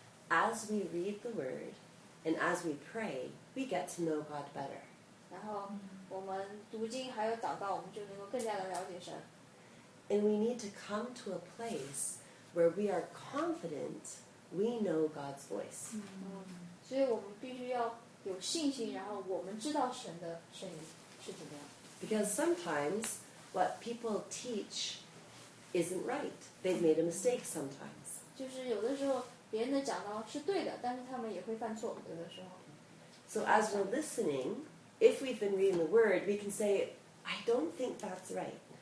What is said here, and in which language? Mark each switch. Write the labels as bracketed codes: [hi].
[en] As we read the word and as we pray, we get to know God better. [zh] 然后我们读经还有祷告，我们就能够更加的了解神。 [en] And we need to come to a place where we are confident we know God's voice. [zh] 所以我们必须要有信心，然后我们知道神的声音是怎么样。 [en] Because sometimes what people teach isn't right. They've made a mistake sometimes. [zh] 就是有的时候别人的讲道是对的，但是他们也会犯错，有的时候。 [en] So as we're listening, if we've been reading the word, we can say, I don't think that's right.